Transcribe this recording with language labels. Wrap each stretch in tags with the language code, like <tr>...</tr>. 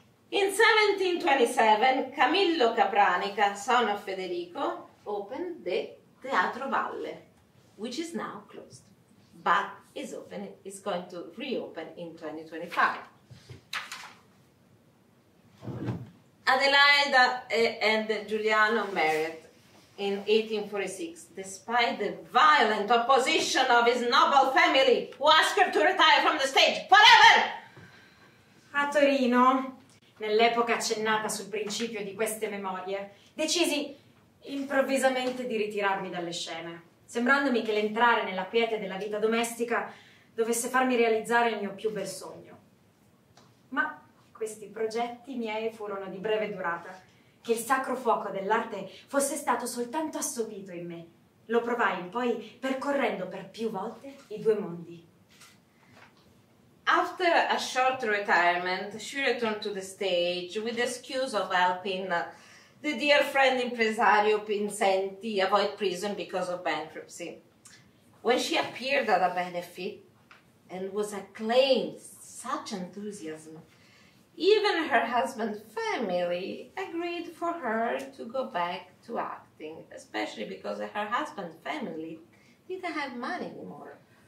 <en>In 1727, Camillo Capranica, son of Federico, opened the Teatro Valle, which is now closed, but is going to reopen in 2025. Adelaida and Giuliano married in 1846, despite the violent opposition of his noble family, who asked her to retire from the stage forever!</en> <it>A Torino, nell'epoca accennata sul principio di queste memorie, decisi improvvisamente di ritirarmi dalle scene, sembrandomi che l'entrare nella quiete della vita domestica dovesse farmi realizzare il mio più bel sogno. Ma questi progetti miei furono di breve durata. Che il sacro fuoco dell'arte fosse stato soltanto assopito in me, lo provai poi percorrendo per più volte i due mondi.</it> <en>After a short retirement, she returned to the stage with the excuse of helping the dear friend impresario Pinsenti avoid prison because of bankruptcy. When she appeared at a benefit and was acclaimed such enthusiasm, even her husband's family agreed for her to go back to acting, especially because her husband's family didn't have money anymore.</en>